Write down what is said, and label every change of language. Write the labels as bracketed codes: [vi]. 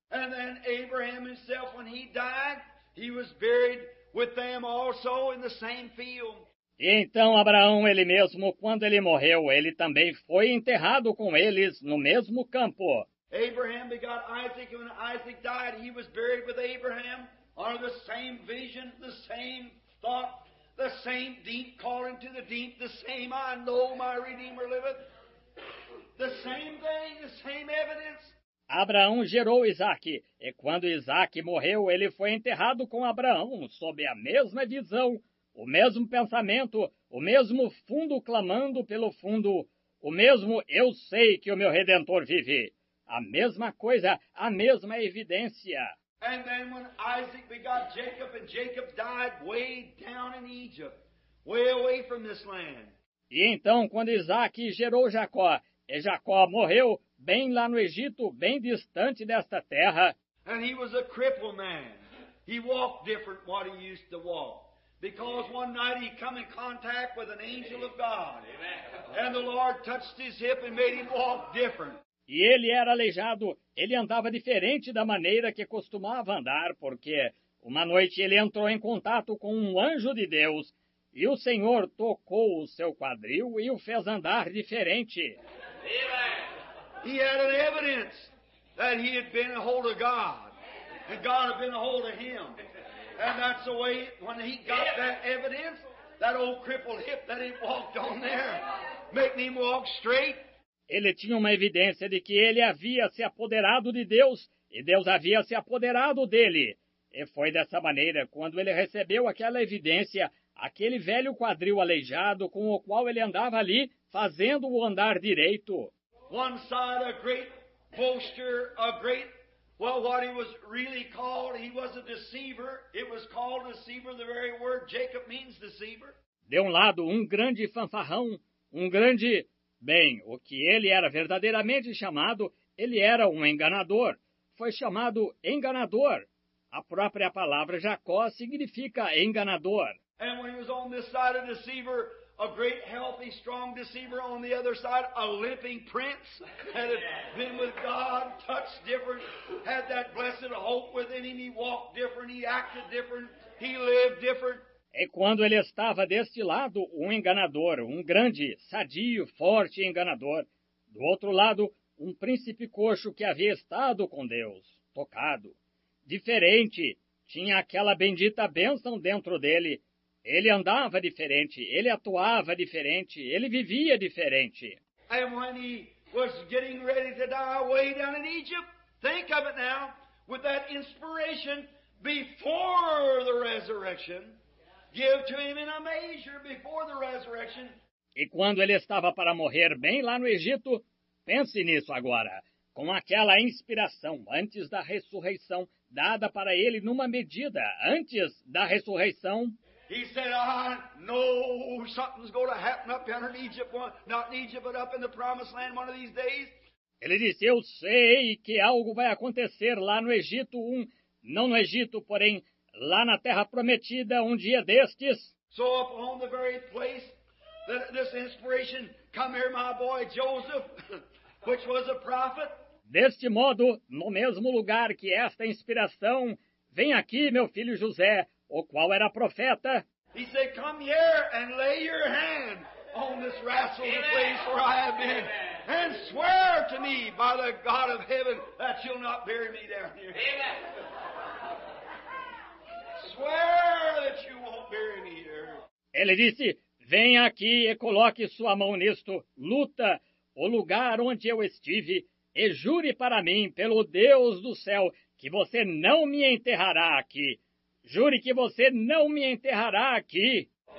[en] And then Abraham himself, when he died, he was buried with them also in the same field. [pt] E então Abraão, ele mesmo, quando ele morreu, ele também foi enterrado com eles no mesmo campo. [en] Abraham begot Isaac, and when Isaac died, he was buried with Abraham on the same vision, the same thought, the same deep calling to the deep, the same I know my Redeemer liveth. The same thing, the same evidence. [pt] Abraão gerou Isaac, e quando Isaac morreu, ele foi enterrado com Abraão, sob a mesma visão, o mesmo pensamento, o mesmo fundo clamando pelo fundo, o mesmo eu sei que o meu Redentor vive. A mesma coisa, a mesma evidência. [en] And then when Isaac begot Jacob, and Jacob died way down in Egypt, way away from this land. [pt] E então, quando Isaac gerou Jacó, e Jacó morreu bem lá no Egito, bem distante desta terra. [en] And he was a crippled man. He walked different than what he used to walk. Because one night he came in contact with an angel of God. Amen. And the Lord touched his hip and made him walk different. [pt] E ele era aleijado, ele andava diferente da maneira que costumava andar, porque uma noite ele entrou em contato com um anjo de Deus, e o Senhor tocou o seu quadril e o fez andar diferente. [en] He had an evidence that he had been a hold of God, and God had been a hold of him. And that's the way, when he got that evidence, that old crippled hip that he walked on there, making him walk straight. [pt] Ele tinha uma evidência de que ele havia se apoderado de Deus, e Deus havia se apoderado dele. E foi dessa maneira, quando ele recebeu aquela evidência, aquele velho quadril aleijado com o qual ele andava ali, fazendo-o andar direito. [en] One side a great boaster, a great, well, what he was really called, he was a deceiver. It was called deceiver, the very word Jacob means deceiver. [pt] De um lado, um grande fanfarrão, um grande... Bem, o que ele era verdadeiramente chamado, ele era um enganador. Foi chamado enganador. A própria palavra Jacó significa enganador. [en] And when he was on this side a deceiver, a great healthy strong deceiver, on the other side a limping prince that had been with God, touched different, had that blessed hope within him, he walked different, he acted different, he lived different. [pt] E quando ele estava deste lado, um enganador, um grande, sadio, forte enganador. Do outro lado, um príncipe coxo que havia estado com Deus, tocado. Diferente, tinha aquela bendita bênção dentro dele. Ele andava diferente, ele atuava diferente, ele vivia diferente. E quando ele estava [en] getting ready to die way down in Egypt, think of it now, with that inspiration before the resurrection. Give to him in a measure before the resurrection. [pt] E quando ele estava para morrer bem lá no Egito, pense nisso agora, com aquela inspiração antes da ressurreição, dada para ele numa medida antes da ressurreição. [en] He said, I know something's going to happen up in Egypt, not in Egypt, but up in the promised land one of these days. [pt] Ele disse, eu sei que algo vai acontecer lá no Egito, não no Egito, porém, lá na Terra Prometida, um dia destes. [en] So upon the very place that this inspiration come here, my boy Joseph, which was a prophet. [pt] Deste modo, no mesmo lugar que esta inspiração, vem aqui, meu filho José, o qual era profeta. [en] He said, come here and lay your hand on this wrestling place where I have been. And swear to me by the God of heaven that you'll not bury me down here. Amen. Swear that you won't bury me here. [pt] Ele disse, venha aqui e coloque sua mão nisto. Luta o lugar onde eu estive e jure para mim, pelo Deus do céu, que você não me enterrará aqui. Jure que você não me enterrará aqui.